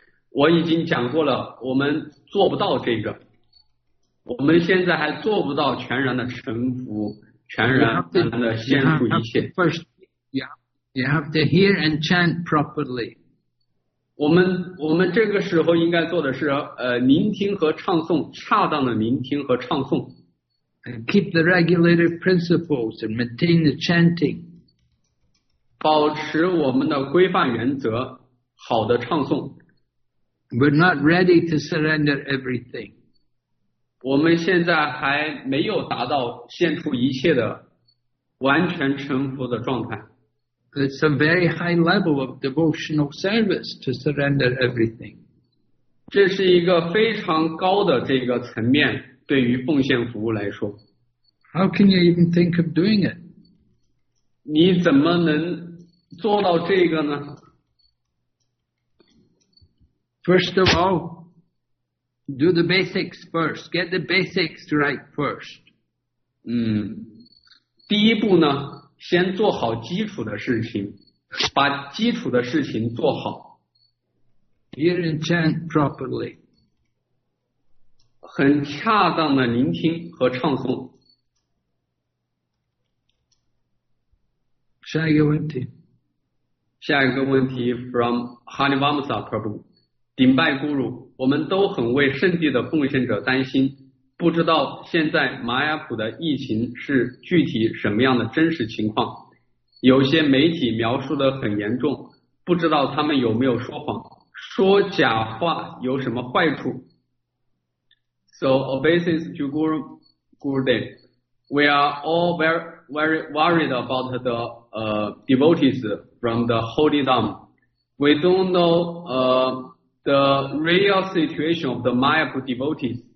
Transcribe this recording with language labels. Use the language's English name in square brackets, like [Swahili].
[Chinese] 我已经讲过了，我们做不到这个。我们现在还做不到全然的臣服，全然的献出一切。 [English] You have to hear and chant properly. [Chinese] 我们这个时候应该做的是，聆听和唱诵，恰当的聆听和唱诵。 [English] Keep the regulated principles and maintain the chanting. [Chinese] 保持我们的规范原则，好的唱诵。 [English] We're not ready to surrender everything. [Chinese] 我们现在还没有达到献出一切的完全臣服的状态。 [English] It's a very high level of devotional service to surrender everything. [Chinese] 这是一个非常高的这个层面对于奉献服务来说。 [English] How can you even think of doing it? [Chinese] 你怎么能做到这个呢？ [English] First of all,Do the basics first. Get the basics right first. [Chinese] 第一步呢，先做好基础的事情，把基础的事情做好。 [English] Hear and chant properly. [Chinese] 很恰当的聆听和唱诵。下一个问题。下一个问题 from Hari Vamsa Prabhu. 顶拜孤乳，我们都很为圣地的奉献者担心，不知道现在马雅普的疫情是具体什么样的真实情况，有些媒体描述的很严重，不知道他们有没有说谎，说假话有什么坏处。 [English] So obeisance to Guru Gurudev, we are all very worried about the devotees from the Holy Dham. We don't know the real situation of the Mayapur devotees.